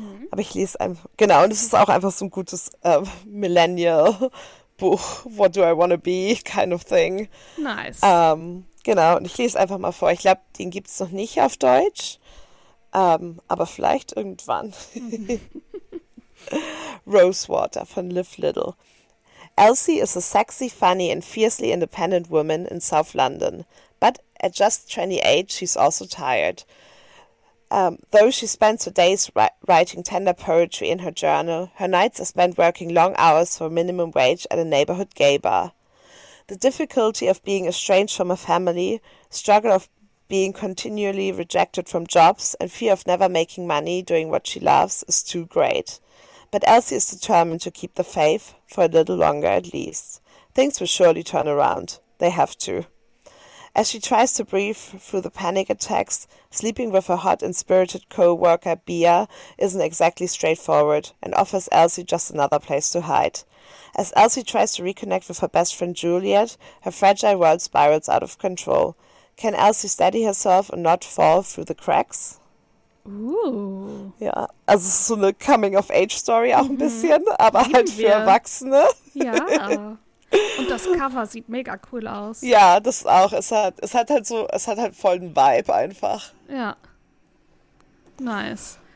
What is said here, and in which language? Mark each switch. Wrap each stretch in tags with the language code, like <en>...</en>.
<de>Aber ich lese einfach, genau, und es ist auch einfach so ein gutes Millennial-Buch,</de> <en>What Do I Wanna Be, kind of thing.</en> <de>Nice. Genau, und ich lese einfach mal vor. Ich glaube, den gibt es noch nicht auf Deutsch, aber vielleicht irgendwann. Rosewater von Liv Little.</de> <en>Elsie is a sexy, funny and fiercely independent woman in South London. But at just 28, she's also tired. Though she spends her days writing tender poetry in her journal, her nights are spent working long hours for minimum wage at a neighborhood gay bar. The difficulty of being estranged from a family, struggle of being continually rejected from jobs, and fear of never making money doing what she loves is too great. But Elsie is determined to keep the faith for a little longer at least. Things will surely turn around. They have to. As she tries to breathe through the panic attacks, sleeping with her hot and spirited co-worker Bia isn't exactly straightforward and offers Elsie just another place to hide. As Elsie tries to reconnect with her best friend Juliet, her fragile world spirals out of control. Can Elsie steady herself and not fall through the cracks?</en> <de>Ja, also es ist so eine Coming-of-Age-Story auch ein bisschen, aber halt Lieben für wir. Erwachsene. Ja. Und das Cover sieht mega cool aus. Ja, das auch. Es hat halt so, es hat halt voll einen Vibe einfach. Ja. Nice.</de>